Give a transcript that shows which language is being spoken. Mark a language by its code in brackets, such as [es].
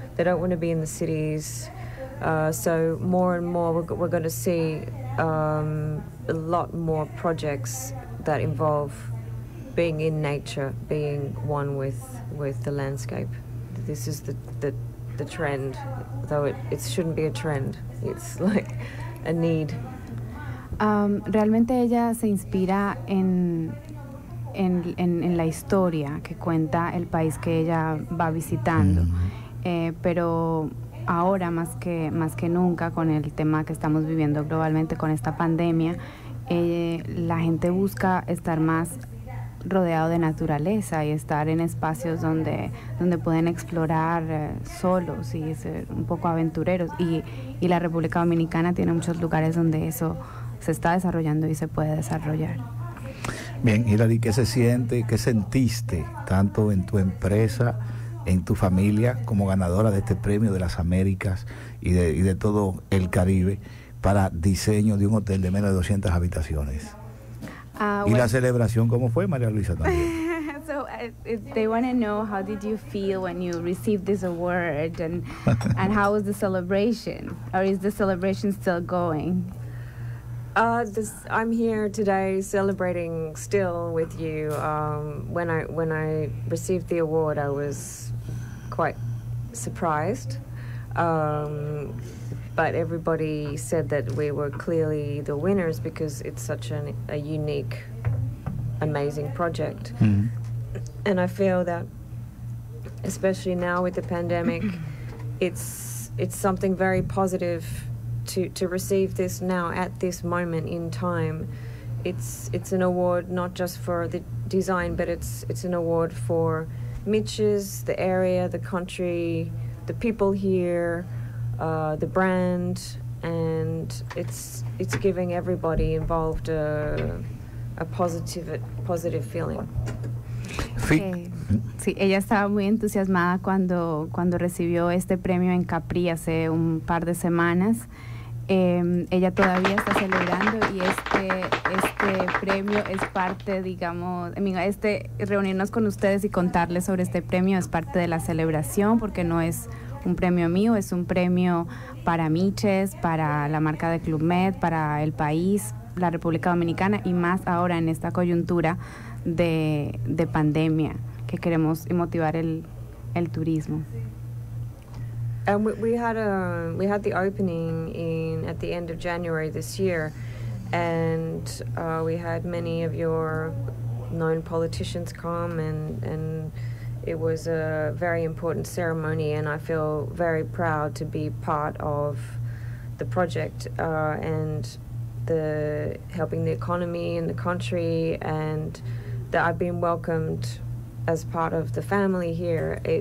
[en] They don't want to be in the cities. So more and more, we're going to see a lot more projects that involve being in nature, being one with the landscape. This is the trend, though it shouldn't be a trend. It's like a need. [es] Realmente ella se inspira en la historia que cuenta el país que ella va visitando. Pero ahora más que nunca, con el tema que estamos viviendo globalmente con esta pandemia, la gente busca estar más rodeado de naturaleza y estar en espacios donde pueden explorar solos y ser un poco aventureros, y la República Dominicana tiene muchos lugares donde eso se está desarrollando y se puede desarrollar. Bien, Hilary, ¿qué se siente, qué sentiste tanto en tu empresa, en tu familia, como ganadora de este premio de las Américas y de todo el Caribe para diseño de un hotel de menos de 200 habitaciones? ¿Y la celebración cómo fue, María Luisa, también? [en] So they want to know, how did you feel when you received this award, and how was the celebration, or is the celebration still going? I'm here today celebrating still with you. When I received the award, I was quite surprised. But everybody said that we were clearly the winners because it's such a unique, amazing project. Mm-hmm. And I feel that, especially now with the pandemic, it's something very positive to receive this now at this moment in time. It's an award not just for the design, but it's an award for Mitch's, the area, the country, the people here, the brand, and it's giving everybody involved a positive feeling. [es] Sí, ella estaba muy entusiasmada cuando recibió este premio en Capri hace un par de semanas. Ella todavía está celebrando, y este premio es parte, digamos, reunirnos con ustedes y contarles sobre este premio es parte de la celebración, porque no es un premio mío, es un premio para Mitch's, para la marca de Club Med, para el país, la República Dominicana, y más ahora en esta coyuntura de pandemia, que queremos motivar el turismo. [en] And we had the opening at the end of January this year, and we had many of your known politicians come, and it was a very important ceremony, and I feel very proud to be part of the project and the helping the economy and the country, and that I've been welcomed as part of the family here.